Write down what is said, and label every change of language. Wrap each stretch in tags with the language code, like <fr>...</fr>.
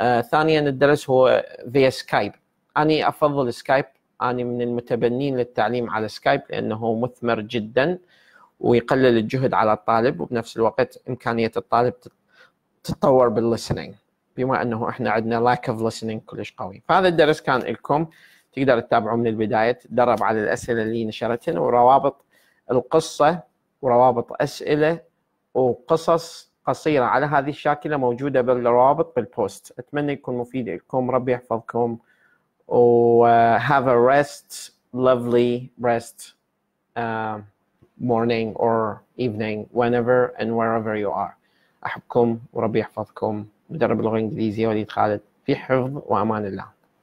<ar>ثانيا الدرس هو via سكايب، انا افضل سكايب، انا من المتبنين للتعليم على سكايب لانه مثمر جدا ويقلل الجهد على الطالب، وبنفس الوقت امكانيه الطالب تتطور باللسننج، بما انه احنا عندنا lack of listening كلش قوي. فهذا الدرس كان لكم، تقدر تتابعوه من البدايه، تدرب على الاسئله اللي نشرتها وروابط القصه وروابط اسئله وقصص قصيره على هذه الشاكله موجوده بالروابط بالبوست.</ar> <en>اتمنى يكون مفيد لكم، ربي يحفظكم، و have a rest, lovely rest, morning or evening, whenever and wherever you are.</en> <ar>احبكم وربي يحفظكم. مدرب اللغة الإنجليزية وليد خالد، في حفظ وأمان الله.</ar>